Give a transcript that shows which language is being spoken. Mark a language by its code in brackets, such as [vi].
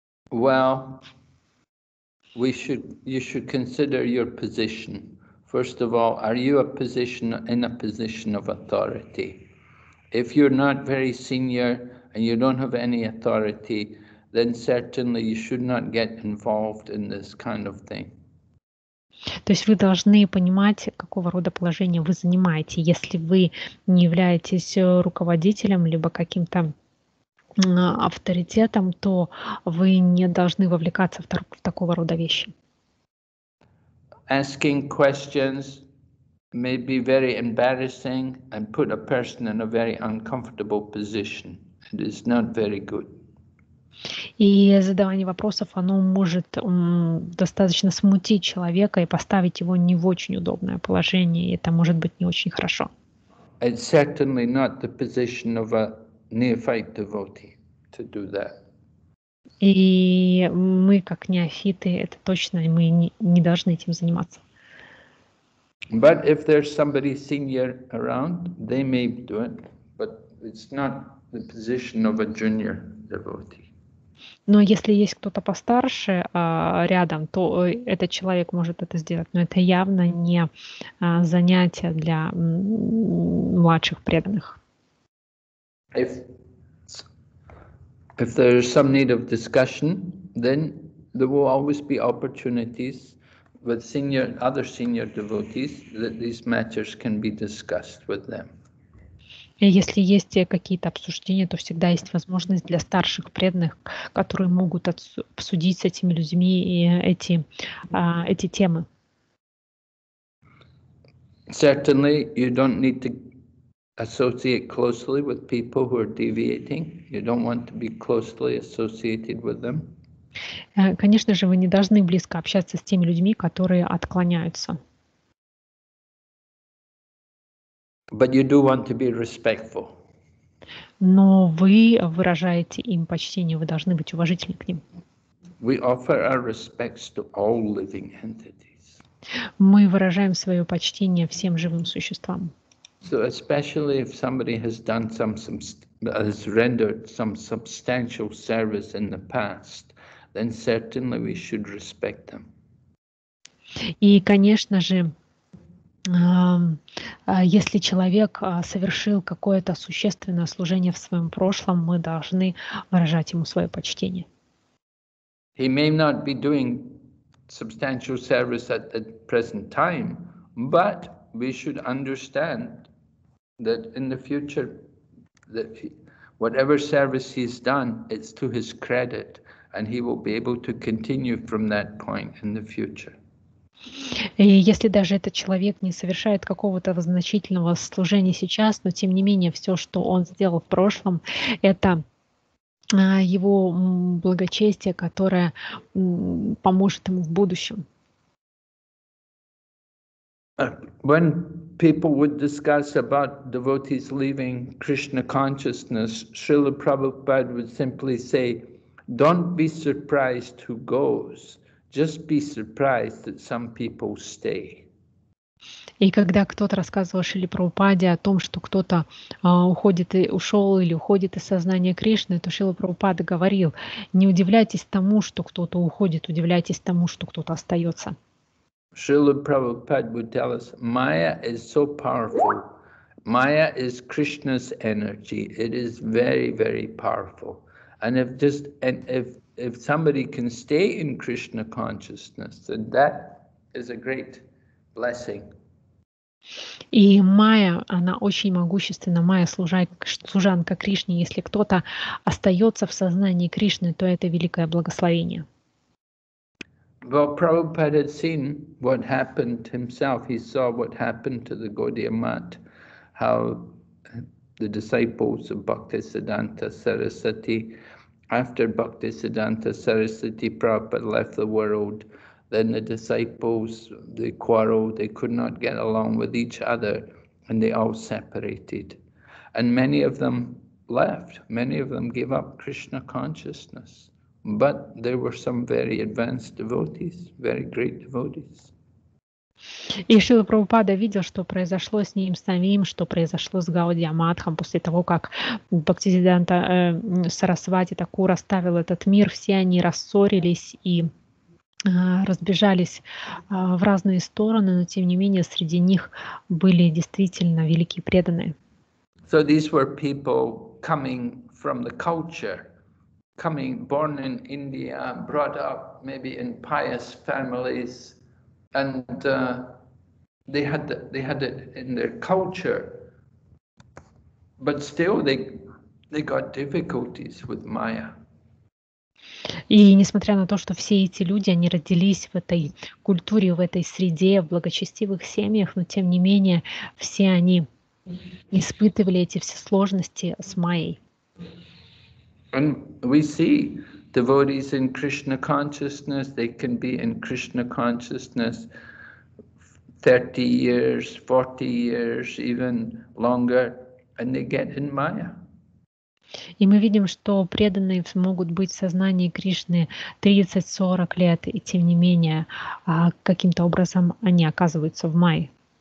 [en] Well, you should consider your position. First of all, are you in a position of authority? If you're not very senior and you don't have any authority, then certainly you should not get involved in this kind of thing. [ru] То есть вы должны понимать, какого рода положение вы занимаете. Если вы не являетесь руководителем либо каким-то авторитетом, то вы не должны вовлекаться в такого рода вещи. [en] Asking questions may be very embarrassing and put a person in a very uncomfortable position. It is not very good. [ru] И задавание вопросов, оно может достаточно смутить человека и поставить его не в очень удобное положение, и это может быть не очень хорошо. [en] It's certainly not the position of a neophyte devotee to do that. [ru] И мы, как неофиты, это точно, мы не должны этим заниматься. [en] But if there's somebody senior around, they may do it, but it's not the position of a junior devotee. [ru] Но если есть кто-то постарше рядом, то этот человек может это сделать. Но это явно не занятие для младших преданных. [en] If there is some need of discussion, then there will always be opportunities with senior, other senior devotees that these matters can be discussed with them. [ru] Если есть какие-то обсуждения, то всегда есть возможность для старших преданных, которые могут обсудить с этими людьми и эти темы. [en] Certainly, you don't need to associate closely with people who are deviating. You don't want to be closely associated with them. [ru] Конечно же, вы не должны близко общаться с теми людьми, которые отклоняются. [en] But you do want to be respectful. [ru] Но вы выражаете им почтение, вы должны быть уважительны к ним. [en] We offer our respects to all living entities. [ru] Мы выражаем свое почтение всем живым существам. [en] So especially if somebody has done has rendered some substantial service in the past, then certainly we should respect them. [ru] И, конечно же, если человек совершил какое-то существенное служение в своем прошлом, мы должны выражать ему свое почтение. [en] He may not be doing substantial service at the present time, but we should understand that in the future, that whatever service he's done, it's to his credit, and he will be able to continue from that point in the future. [ru] И если даже этот человек не совершает какого-то значительного служения сейчас, но тем не менее все, что он сделал в прошлом, это его благочестие, которое поможет ему в будущем. [en] When people would discuss about devotees leaving Krishna consciousness, Srila Prabhupada would simply say, "Don't be surprised who goes." Just be surprised that some people stay. [ru] И когда кто-то рассказывал Шриле Прабхупаде о том, что кто-то уходит и ушел или уходит из сознания Кришны, то Шрила Прабхупада говорил: не удивляйтесь тому, что кто-то уходит, удивляйтесь тому, что кто-то остается. [en] Шрила Прабхупада would tell us, Maya is so powerful. Maya is Krishna's energy. It is very, very powerful. And if somebody can stay in Krishna consciousness, then that is a great blessing. [ru] И Майя, она очень могущественна, Майя служанка Кришне. Если кто-то остается в сознании Кришны, то это великое благословение. [en] Well, Prabhupada had seen what happened himself. He saw what happened to the Gaudiya Mat, how the disciples of Bhaktisiddhanta Sarasvati, after Bhaktisiddhanta Sarasvati Prabhupada left the world, then the disciples, they quarreled, they could not get along with each other, and they all separated. And many of them left, many of them gave up Krishna consciousness. But there were some very advanced devotees, very great devotees. [ru] И Шрила Прабхупада видел, что произошло с ним самим, что произошло с Гаудия Матхом после того, как Бхактисиддханта Сарасвати Такур оставил этот мир. Все они рассорились и разбежались в разные стороны, но тем не менее среди них были действительно великие преданные. [en] So these were people coming from the culture, coming born in India, brought up maybe in pious families. And they had it in their culture, but still they got difficulties with Maya. [ru] И несмотря на то, что все эти люди, они родились в этой культуре, в этой среде, в благочестивых семьях, но тем не менее все они испытывали эти все сложности с Майей. [en] And we see devotees in Krishna consciousness, they can be in Krishna consciousness 30 years, 40 years, even longer, and they get in Maya. [ru] И мы видим, что преданные могут быть в сознании Кришны 30-40 лет, и тем не менее, каким-то образом они оказываются в Майе.